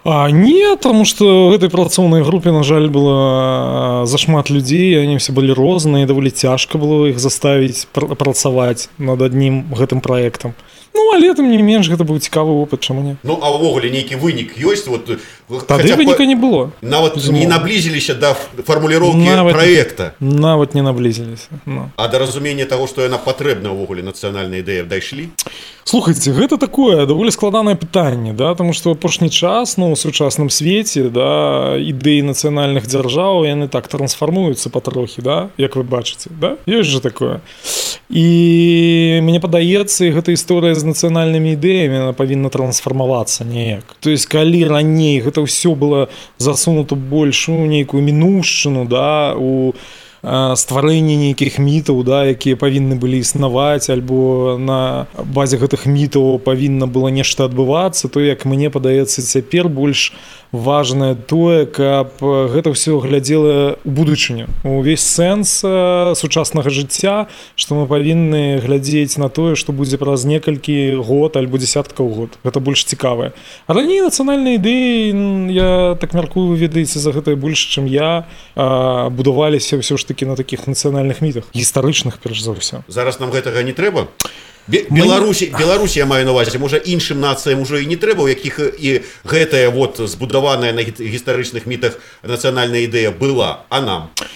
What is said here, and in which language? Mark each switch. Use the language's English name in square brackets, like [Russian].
[Ukrainian] Ні, тому що в цій працівній групі, на жаль, було зашмат людей, вони всі були різні, і доволі тяжко було їх заставити працювати над одним цим проєктом. Ну, але тим не менш, це був цікавий опыт, чому ні. Ну, а вогулі, ніякий винік є? Вот, тоді виніка не було. Навіть не наблизилися до формулировки проєкту? Навіть не наблизилися. Но. А до розуміння того, що вона потрібна вогулі, національна ідея, дійшли? [Belarusian] Слухайте, гэта такое даволі складанае пытанне, да, таму што апошні час, ну, у сучасным свеце, да, ідэі нацыянальных дзяржаў, яны так трансфармуюцца патрохі, да, як вы бачыце, да? Ёсць жа такое. І мне падаецца, гэта історыя з нацыянальнымі ідэямі, яна павінна трансфармавацца неяк. То есть, калі раней гэта ўсё было засунута больш у нейкую мінушчыну, да, у стварэнне нейкіх мітаў, да, якія павінны былі існаваць, альбо на базе гэтых мітаў павінна было нешта адбывацца, то, як мне падаецца, цяпер больш важнае тое, каб гэта ўсё глядзела ў будучыню. Увесь сэнс сучаснага жыцця, што мы павінны глядзець на тое, што будзе праз некалькі год альбо дзясяткаў год. Гэта больш цікавае. А раней нацыянальныя ідэі, я так мяркую, вы ведаеце за гэта больш, чым я, будаваліся ўсё ж такі на такіх нацыянальных мітах, гістарычных перш за ўсё. Зараз нам гэтага не трэба? Беларусі, Беларусі, я маю на увазі, [Ukrainian] може іншим націям уже і не треба, [Belarusian] у яких і гэтая вот збудаваная на гістарычных мітах національна ідея была, а нам?